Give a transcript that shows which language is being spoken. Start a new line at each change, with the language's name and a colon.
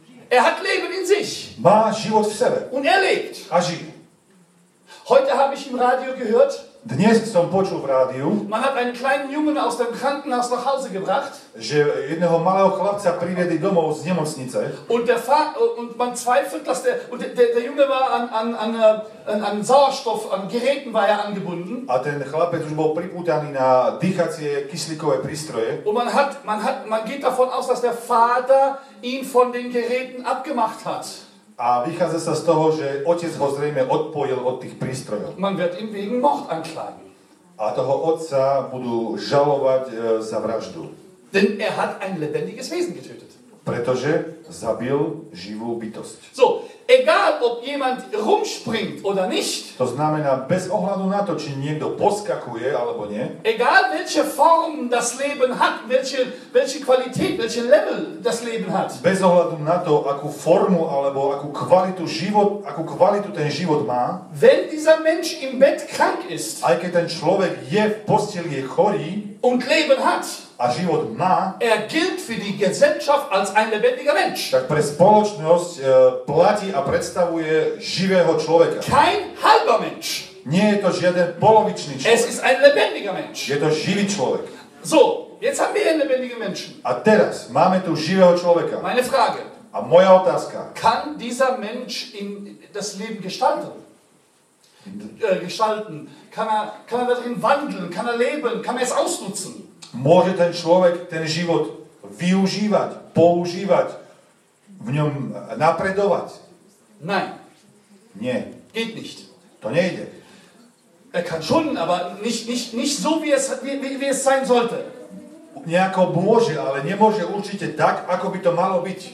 German: Hat Leben in sich.
Slovak: Má život v sebe.
German: Und lebt.
Slovak: A žije.
German: Heute habe ich im Radio gehört.
Slovak: Dnes som počul v rádiu.
German: Man hat einen kleinen Jungen aus dem Krankenhaus nach Hause gebracht.
Slovak: Že jedného malého chlapca priviedli domov z nemocnice.
German: Und der und man zweifelt, dass der Junge war an Sauerstoff, an Geräten war angebunden.
Slovak: A ten chlapec už bol pripútaný na dýchacie kyslíkové prístroje.
German: Und man geht davon aus, dass der Vater ihn von den Geräten abgemacht hat.
Slovak: A vychádza sa z toho, že otec ho zrejme odpojil od tých prístrojov.
German: Man wird ihn wegen Mord anklagen.
Slovak: A toho otca budú žalovať za vraždu.
German: Denn hat ein lebendiges Wesen getötet.
Slovak: Pretože zabil živú bytosť.
German: So, egal ob jemand rumspringt oder nicht.
Slovak: To znamená, bez ohľadu na to, či niekto poskakuje alebo nie.
German: Egal welche Form das Leben hat, welche Qualität, welche Level das Leben hat.
Slovak: Bez ohľadu na to, akú formu alebo akú kvalitu ten život má.
German: Wenn dieser Mensch im Bett krank ist.
Slovak: Aj keď ten človek je v posteli, je chorý.
German: Und Leben hat.
Slovak: A život má.
German: Er gilt für die Gesellschaft als ein lebendiger Mensch.
Slovak: Tak pre spoločnosť platí a predstavuje živého človeka.
German: Kein halber Mensch.
Slovak: Nie je to žiaden polovičný človek.
German: Es ist ein lebendiger Mensch.
Slovak: Je to živý človek.
German: So, jetzt haben wir einen lebendigen Menschen.
Slovak: A teraz máme tu živého človeka.
German: Meine Frage.
Slovak: A moja otázka.
German: Kann dieser Mensch in das Leben gestalten? Gestalten. Kann er darin wandeln? Kann er leben? Kann er es ausnutzen?
Slovak: Môže ten človek ten život využívať, používať, v ňom napredovať?
German: Nein.
Slovak: Nie.
German: Geht nicht.
Slovak: To nejde.
German: Er kann schon, aber nicht so, wie es sein sollte.
Slovak: Nejako môže, ale nemôže určite tak, ako by to malo byť.